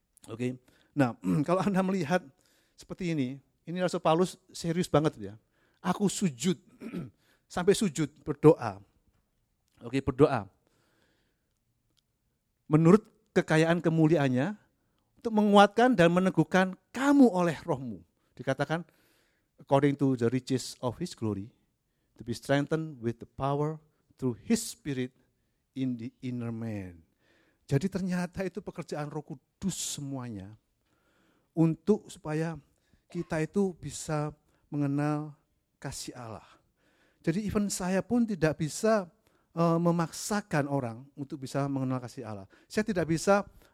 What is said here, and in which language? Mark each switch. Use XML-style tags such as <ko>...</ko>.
<id>Oke, okay. Nah kalau Anda melihat seperti ini Rasul Paulus serius banget ya. Aku sujud, sampai sujud berdoa. Oke, okay, berdoa. Menurut kekayaan kemuliaannya, untuk menguatkan dan meneguhkan kamu oleh rohmu.</id> <en>Dikatakan, according to the riches of his glory, to be strengthened with the power through his spirit, in the inner man.</en> <id>Jadi ternyata itu pekerjaan Roh Kudus semuanya untuk supaya kita itu bisa mengenal kasih Allah. Jadi even saya pun tidak bisa memaksakan orang untuk bisa mengenal kasih Allah. Saya tidak bisa</id>